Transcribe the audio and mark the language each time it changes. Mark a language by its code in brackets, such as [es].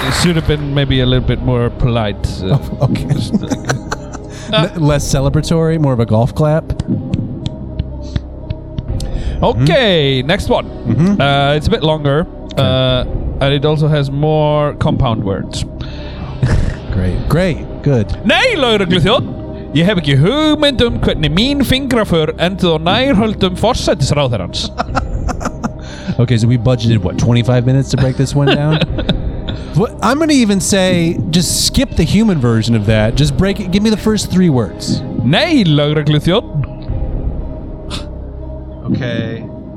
[en] It should have been maybe a little bit more polite. Okay. Less celebratory, more of a golf clap. Okay, next one. Mm-hmm. It's a bit longer, and it also has more compound words. Great, good. [is] Nei, lögregluþjónn, ég hef ekki hugmynd hvernig mín fingrafur endur á nærhöldum forsætisráðherrans. [en] Okay, so we budgeted, 25 minutes to break this one down? I'm going to even say, just skip the human version of that. Just break it. Give me the first three words. [is] Nei, lögregluþjónn. [en] Okay.